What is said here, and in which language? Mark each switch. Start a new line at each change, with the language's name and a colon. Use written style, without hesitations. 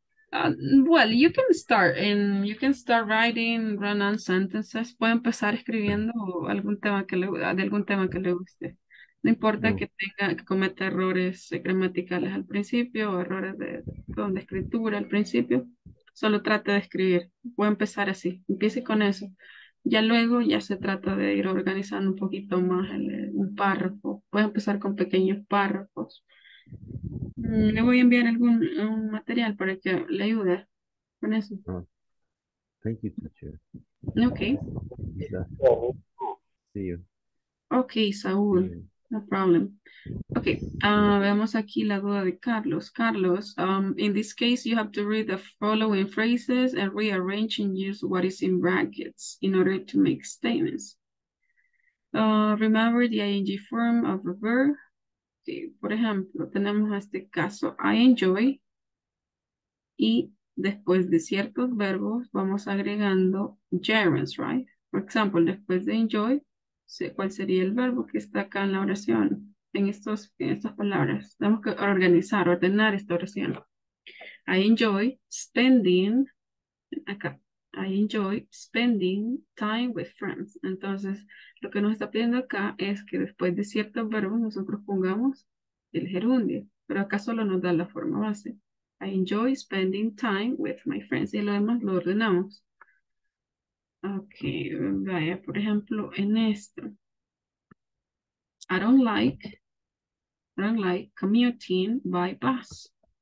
English: Well, you can start and you can start writing run-on sentences.
Spanish: Puede empezar escribiendo algún tema que le guste. No importa que tenga que cometa errores gramaticales al principio o errores de escritura al principio. Solo trate de escribir. Puede empezar así. Empiece con eso. Ya luego ya se trata de ir organizando un poquito más un párrafo. Puede empezar con pequeños párrafos. Le voy a enviar algún material para que le ayude con eso.
English: Oh, thank you, teacher. Okay. See you. Okay, Saul. No problem. Okay,
Spanish: veamos aquí la duda de Carlos.
English: Carlos, in this case, you have to read the following phrases and rearrange and use what is in brackets in order to make statements. Remember the ing form of a verb.
Spanish: Por ejemplo, tenemos este caso,
English: I enjoy,
Spanish: y después de ciertos verbos vamos agregando
English: gerunds, right? For example,
Spanish: después de enjoy, ¿cuál sería el verbo que está acá en la oración? En estas palabras, tenemos que ordenar esta oración.
English: I enjoy spending, acá, I enjoy spending time with friends.
Spanish: Entonces, lo que nos está pidiendo acá es que después de ciertos verbos nosotros pongamos el gerundio, pero acá solo nos da la forma base.
English: I enjoy spending time with my friends.
Spanish: Y lo demás lo ordenamos. Ok, vaya, por ejemplo, en esto.
English: I don't like commuting by bus.